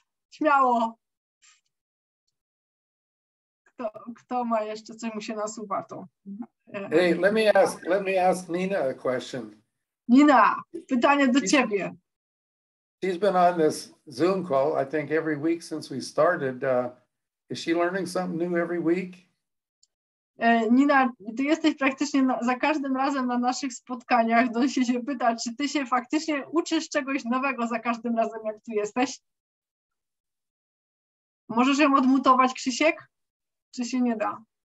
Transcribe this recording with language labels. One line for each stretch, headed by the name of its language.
Polish: Śmiało. Kto ma jeszcze coś mu się nasuwa to?
English: Hey, let me ask Nina a question.
Polish: Nina, pytanie do ciebie.
English: She's been on this Zoom call, I think, every week since we started. Is she learning something new every week?
Polish: Nina, ty jesteś praktycznie za każdym razem na naszych spotkaniach. Don się cię pyta, czy ty się faktycznie uczysz czegoś nowego za każdym razem, jak tu jesteś? Możesz ją odmutować, Krzysiek? Czy się nie da?